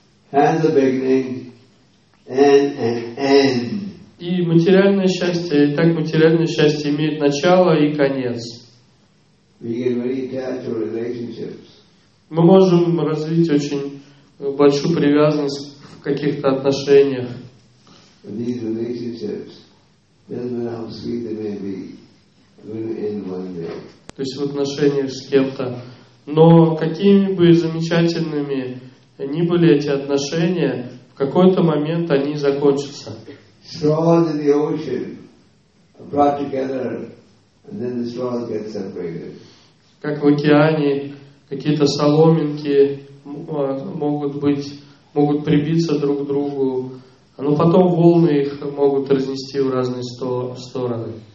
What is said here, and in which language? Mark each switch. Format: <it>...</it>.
<en>Has a beginning and an end.</en> <ru>И материальное счастье, и так материальное счастье имеет начало и конец.</ru> <en>We can really attach to relationships.</en> <ru>Мы можем развить очень большую привязанность в каких-то отношениях.</ru> <en>And these relationships, doesn't matter how sweet they may be, will end one day.</en> <ru>То есть в отношениях с кем-то. Но какими бы замечательными ни были эти отношения, в какой-то момент они закончатся.</ru> <en>Straws in the ocean are brought together, and then the straws get separated.</en> <ru>Как в океане какие-то соломинки могут прибиться друг к другу, но потом волны их могут разнести в разные стороны.</ru>